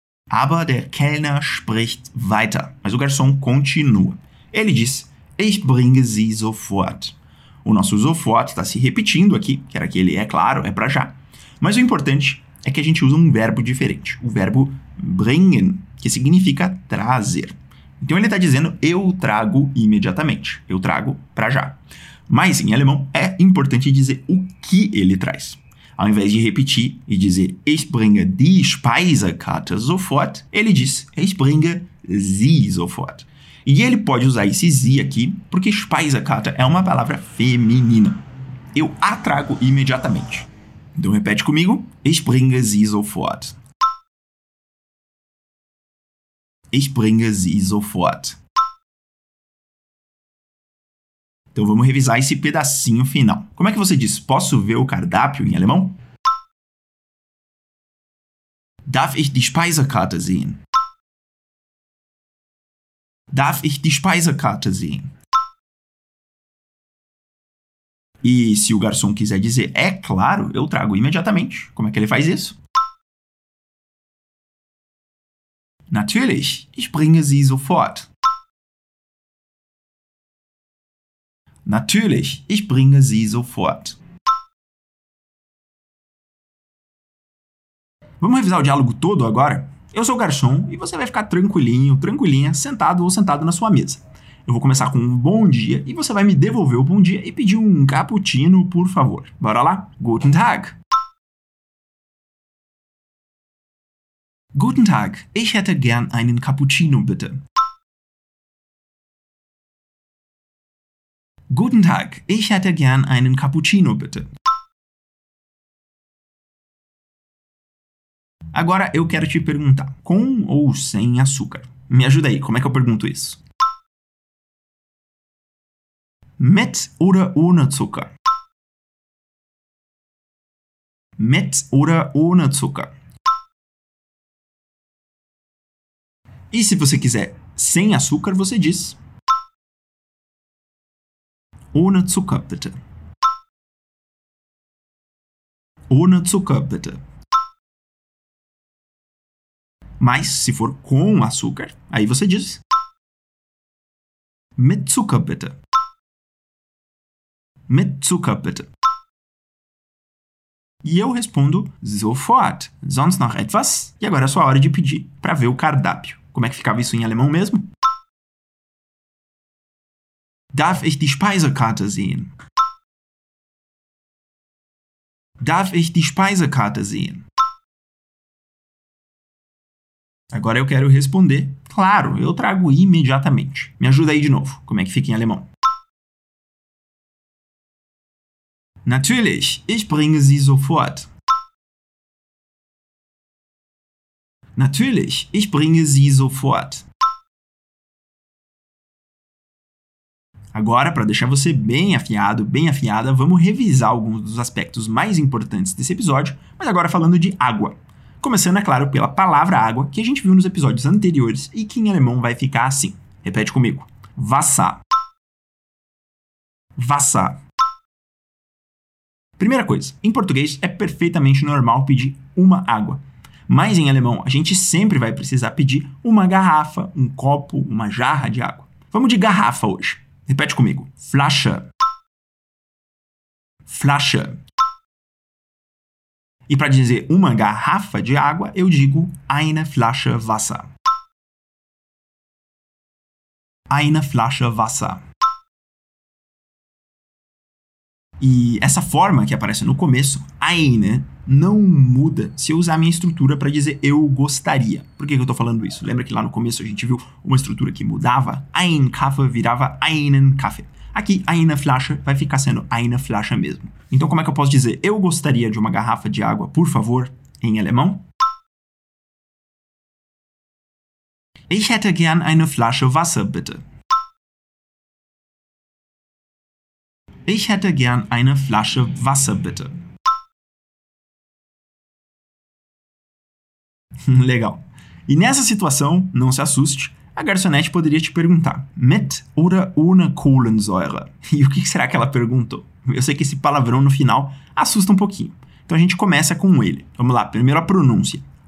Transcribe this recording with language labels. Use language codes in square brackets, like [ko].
[de] Aber der Kellner spricht weiter. [pt] Mas o garçom continua. Ele diz: [de] ich bringe sie sofort. [pt] O nosso sofort está se repetindo aqui, que era aquele é claro, é para já. Mas o importante é que a gente usa um verbo diferente, o verbo bringen, que significa trazer. Então ele está dizendo: eu trago imediatamente, eu trago para já. Mas em alemão é importante dizer o que ele traz. Ao invés de repetir e dizer [de] ich bringe die Speisekarte sofort, [pt] ele diz [de] ich bringe sie sofort. [pt] E ele pode usar esse sie aqui, porque Speisekarte é uma palavra feminina. Eu a trago imediatamente. Então repete comigo: [de] ich bringe sie sofort. Ich bringe sie sofort. [pt] Então vamos revisar esse pedacinho final. Como é que você diz posso ver o cardápio em alemão? [de] Darf ich die Speisekarte sehen? Darf ich die Speisekarte sehen? [pt] E se o garçom quiser dizer é claro, eu trago imediatamente. Como é que ele faz isso? [de] Natürlich, ich bringe sie sofort. Natürlich, ich bringe sie sofort. [pt] Vamos revisar o diálogo todo agora? Eu sou o garçom e você vai ficar tranquilinho, tranquilinha, sentado ou sentado na sua mesa. Eu vou começar com um bom dia e você vai me devolver o bom dia e pedir um cappuccino, por favor. Bora lá? [de] Guten Tag! Guten Tag, ich hätte gern einen Cappuccino, bitte. Guten Tag, ich hätte gern einen Cappuccino, bitte. [pt] Agora eu quero te perguntar, com ou sem açúcar? Me ajuda aí, como é que eu pergunto isso? [de] Mit oder ohne Zucker? Mit oder ohne Zucker? [pt] E se você quiser sem açúcar, você diz [de] ohne Zucker, bitte. Ohne Zucker, bitte. [pt] Mas se for com açúcar, aí você diz [de] mit Zucker, bitte. Mit Zucker, bitte. [pt] E eu respondo [de] sofort, sonst noch etwas. [pt] E agora é a sua hora de pedir para ver o cardápio. Como é que ficava isso em alemão mesmo? [de] Darf ich die Speisekarte sehen? Darf ich die Speisekarte sehen? [pt] Agora eu quero responder. Claro, eu trago imediatamente. Me ajuda aí de novo. Como é que fica em alemão? [de] Natürlich, ich bringe sie sofort. Natürlich, ich bringe sie sofort. [pt] Agora, para deixar você bem afiado, bem afiada, vamos revisar alguns dos aspectos mais importantes desse episódio, mas agora falando de água. Começando, é claro, pela palavra água, que a gente viu nos episódios anteriores e que em alemão vai ficar assim. Repete comigo. Wasser. Wasser. Primeira coisa, em português é perfeitamente normal pedir uma água. Mas em alemão, a gente sempre vai precisar pedir uma garrafa, um copo, uma jarra de água. Vamos de garrafa hoje. Repete comigo. Flasche. [de] Flasche. [pt] E para dizer uma garrafa de água, eu digo [de] eine Flasche Wasser. Eine Flasche Wasser. [pt] E essa forma que aparece no começo, eine, não muda se eu usar a minha estrutura para dizer eu gostaria. Por que eu estou falando isso? Lembra que lá no começo a gente viu uma estrutura que mudava? [de] Ein Kaffee [pt] virava [de] einen Kaffee. [pt] Aqui, eine Flasche vai ficar sendo eine Flasche mesmo. Então, como é que eu posso dizer eu gostaria de uma garrafa de água, por favor, em alemão? [de] Ich hätte gern eine Flasche Wasser, bitte. Ich hätte gern eine Flasche Wasser, bitte. [pt] Legal. E nessa situação, não se assuste, a garçonete poderia te perguntar [de] mit oder ohne Kohlensäure? [pt] E o que será que ela perguntou? Eu sei que esse palavrão no final assusta um pouquinho. Então a gente começa com ele. Vamos lá, primeiro a pronúncia.